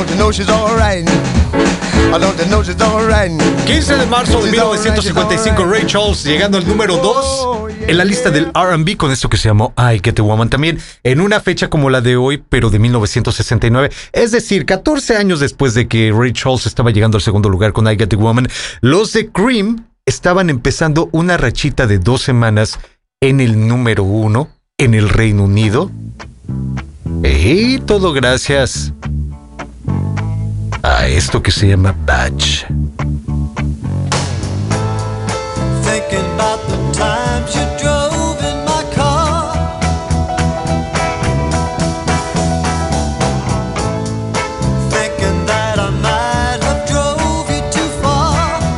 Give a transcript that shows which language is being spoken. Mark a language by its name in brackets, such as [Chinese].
[English] She's all right. I don't know she's all right. [Spanish] 15 de marzo de 1955, Ray Charles llegando al número 2 en la lista del R&B con esto que se llamó I Get a Woman. También en una fecha como la de hoy, pero de 1969, es decir, 14 años después de que Ray Charles estaba llegando al segundo lugar con I Get a Woman, los de Cream estaban empezando una rachita de 2 semanas en el número 1 en el Reino Unido. Y todo gracias a esto que se llama Badge. [English] Thinking about the times you drove in my car. Thinking that I might have drove you too far.